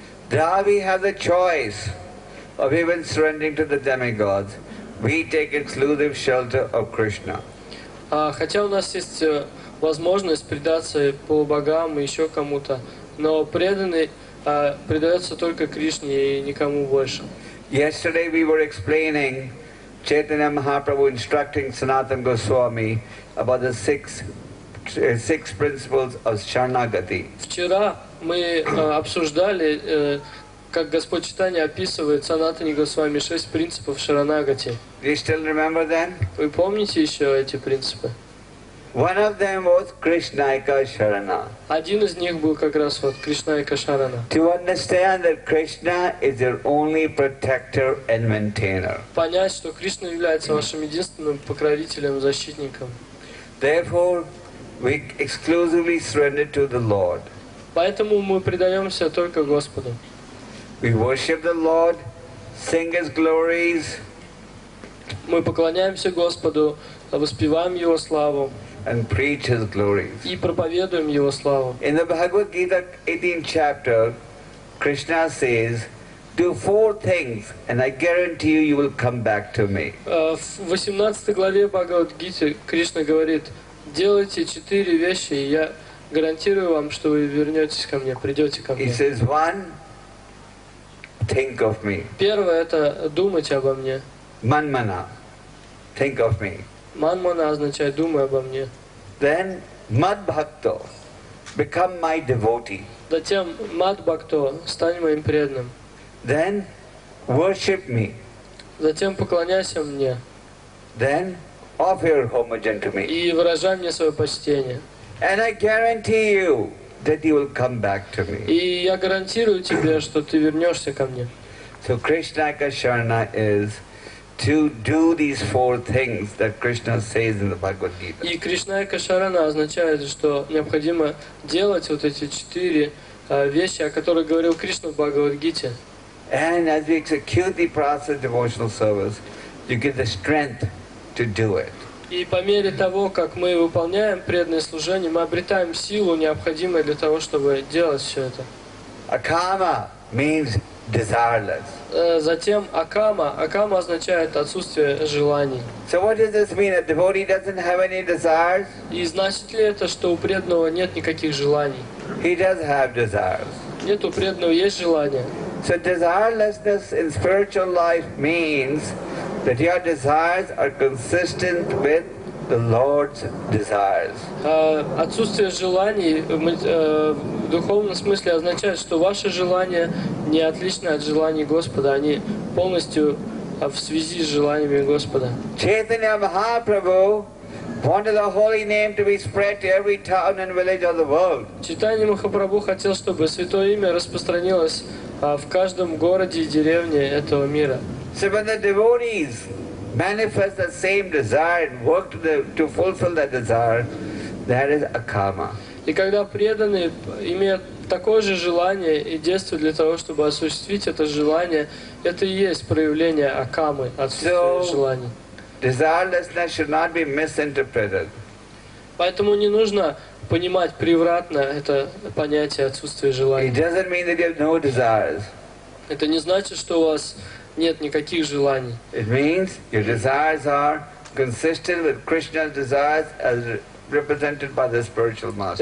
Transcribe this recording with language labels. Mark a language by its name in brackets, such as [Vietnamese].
[English] Now we have the choice of even surrendering to the demigods. We take exclusive shelter of Krishna. [Russian] Хотя у нас есть возможность предаться полубогам и еще кому-то, но преданный предается только Кришне и никому больше. [English] Yesterday we were explaining Chaitanya Mahaprabhu instructing Sanatana Goswami about the six principles of Sharanagati. [Russian] Вчера мы обсуждали, как Господь Чайтанья описывает Санатане Госвами шесть принципов Шаранагати. [English] Do you still remember them? [Russian] Вы помните еще эти принципы? [English] One of them was Krishnaika Sharana. [Russian] Один из них был как раз вот Krishnaika Sharana. [English] To understand that Krishna is your only protector and maintainer. [Russian] Понять, что Кришна является вашим единственным покровителем, защитником. [English] Therefore, we exclusively surrender to the Lord. [Russian] Поэтому мы предаемся только Господу. [English] We worship the Lord, sing His glories. [Russian] Мы поклоняемся Господу, воспеваем Его славу. [English] And preach His glories. [Russian] И проповедуем Его славу. [English] In the Bhagavad Gita 18th chapter, Krishna says, "Do four things, and I guarantee you, you will come back to me." [Russian] В 18 главе Бхагавад Гиты Кришна говорит: делайте четыре вещи, и я гарантирую вам, что вы вернетесь ко мне, придете ко мне. [English] He says, one, think of me. [Russian] Первое это думать обо мне. [English] Manmana, think of me. [Russian] Манмана означает думай обо мне. [English] Then madbhakto, become my devotee. [Russian] Затем madbhakto, стань моим преданным. [English] Then worship me. [Russian] Затем поклоняйся мне. [English] Then offer homage to me. [Russian] И выражай мне свое почтение. [English] And I guarantee you that you will come back to me. [Russian] И я гарантирую тебе, что ты вернешься ко мне. [English] So Krishnaika Sharana is to do these four things that Krishna says in the Bhagavad Gita. [Russian] И Кришнайка Шарана означает, что необходимо делать вот эти четыре вещи, о которых говорил Кришна в Бхагавад Гите. [English] And as you execute the process of devotional service, you get the strength to do it. [Russian] И по мере того, как мы выполняем преданное служение, мы обретаем силу, необходимую для того, чтобы делать все это. [English] Akama means desireless. [Russian] Затем akama. Akama означает отсутствие желаний. [English] So what does this mean? A devotee doesn't have any desires? [Russian] И значит ли это, что у преданного нет никаких желаний? [English] He does have desires. [Russian] Нет, у преданного есть желания. [English] So desirelessness in spiritual life means that your desires are consistent with the Lord's desires. [Russian] Отсутствие желаний В духовном смысле означает, что ваши желания не отличны от желаний Господа, они полностью в связи с желаниями Господа. [English] Chaitanya Mahaprabhu wanted the holy name to be spread to every town and village of the world. [Russian] Chaitanya Mahaprabhu хотел, чтобы святое имя распространилось в каждом городе и деревне этого мира. [English] So when the devotees manifest the same desire and work to fulfill that desire, that is a karma. [Russian] И когда преданные имеют такое же желание и действуют для того, чтобы осуществить это желание, это и есть проявление акамы, отсутствия желаний. [English] Desirelessness should not be misinterpreted. [Russian] Поэтому не нужно понимать превратно это понятие отсутствия желания. [English] It doesn't mean that you have no desires. [Russian] Это не значит, что у вас нет никаких желаний. [English] It means your desires are consistent with Krishna's desires as represented by the spiritual master.